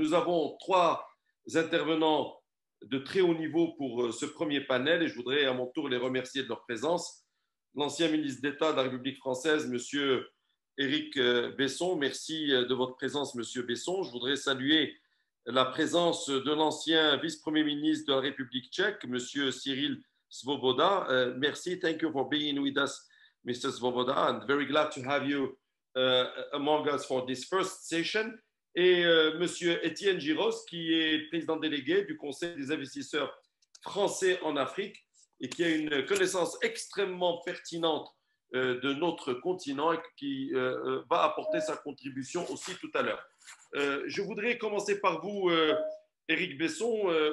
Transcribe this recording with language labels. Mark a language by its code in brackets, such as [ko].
[fr] Nous avons trois intervenants de très haut niveau pour ce premier panel et je voudrais à mon tour les remercier de leur présence. L'ancien ministre d'État de la République française, M. Éric Besson, merci de votre présence, M. Besson. Je voudrais saluer la présence de l'ancien vice-premier ministre de la République tchèque, M. Cyril Svoboda. [en] Merci, thank you for being with us, Mr. Svoboda. I'm very glad to have you among us for this first session. [fr] Et M. Étienne Giros, qui est président délégué du Conseil des investisseurs français en Afrique et qui a une connaissance extrêmement pertinente de notre continent et qui va apporter sa contribution aussi tout à l'heure. Je voudrais commencer par vous, Éric Besson.